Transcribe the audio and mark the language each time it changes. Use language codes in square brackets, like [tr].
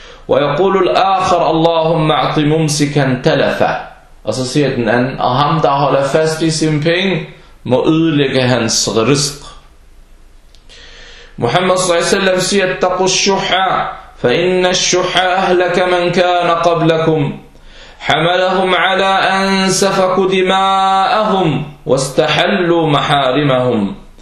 [ar] ويقول الآخر اللهم اعط ممسكا تلفا. [da] Og så siger den anden, og ham der holder fast i sin penge, må ødelægge hans risk. Muhammad s.a.w. siger, [ar] اتقوا الشحا فإن الشحا أهلك من كان قبلكم حملهم على أن سفكوا دماءهم واستحلوا محارمهم.